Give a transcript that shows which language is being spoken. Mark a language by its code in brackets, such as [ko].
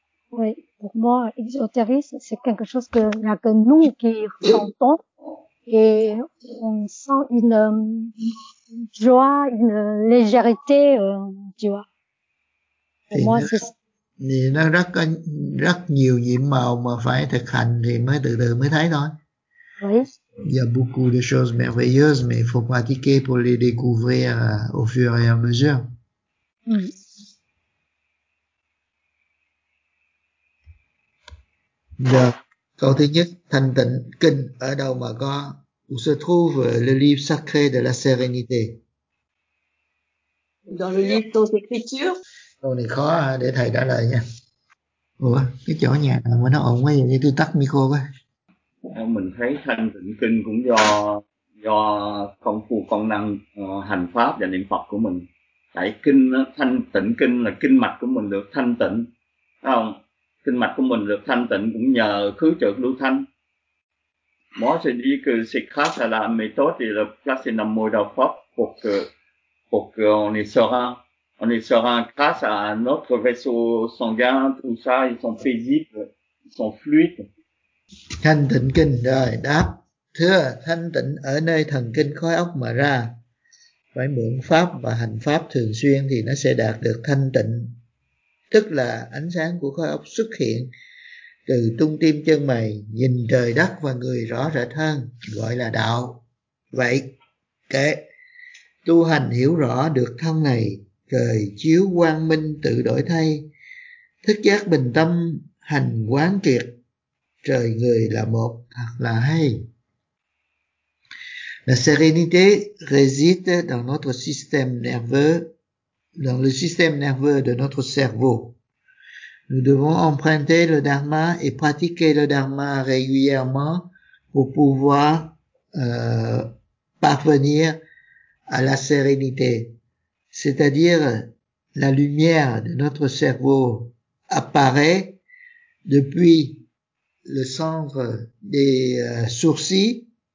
[fr] Oui, pour moi, l'ésotérisme, c'est quelque chose que là que nous qui sentons et on sent une joie, une légèreté, tu vois. [vi] Thì nó rất có rất nhiều nhiệm màu mà phải thực hành thì mới từ từ mới thấy thôi. [fr] Oui. Il y a beaucoup de choses merveilleuses, mais il faut pratiquer pour les découvrir au fur et à mesure. [vi] Câu thứ nhất, thanh tịnh kinh ở đâu mà có? [fr] Où se trouve le livre sacré de la sérénité? Dans le livre des écritures. [vi] Câu này khó để thầy trả lời nha. Ủa, cái chỗ nhà mà nó ổn quá vậy, như tôi tắt micro quá. Mình thấy thanh tịnh kinh cũng do công phu công năng hành pháp và niệm Phật của mình. Tại kinh thanh tịnh kinh là kinh mạch của mình được thanh tịnh, thấy không? Kinh mạch của mình được thanh tịnh cũng nhờ khứ trực lưu thanh. [fr] Moi je dis que c'est grâce à la méthode et le place dans le [en] mode of thought [fr] pour que on est serein grâce à notre vaisseau sanguin, tout ça, ils sont paisibles, ils sont fluides. [vi] Thanh tịnh kinh rồi đáp, thưa thanh tịnh ở nơi thần kinh khối óc mà ra, phải mượn pháp và hành pháp thường xuyên thì nó sẽ đạt được thanh tịnh, tức là ánh sáng của khối óc xuất hiện từ trung tim chân mày, nhìn trời đất và người rõ rệt hơn, gọi là đạo. Vậy kệ, tu hành hiểu rõ được thân này, trời chiếu quang minh tự đổi thay, thức giác bình tâm hành quán triệt, trời người là một thật là hay. [fr] La sérénité réside dans notre système nerveux, dans le système nerveux de notre cerveau. Nous devons emprunter le dharma et pratiquer le dharma régulièrement pour pouvoir parvenir à la sérénité, c'est-à-dire la lumière de notre cerveau apparaît depuis le centre des sourcils.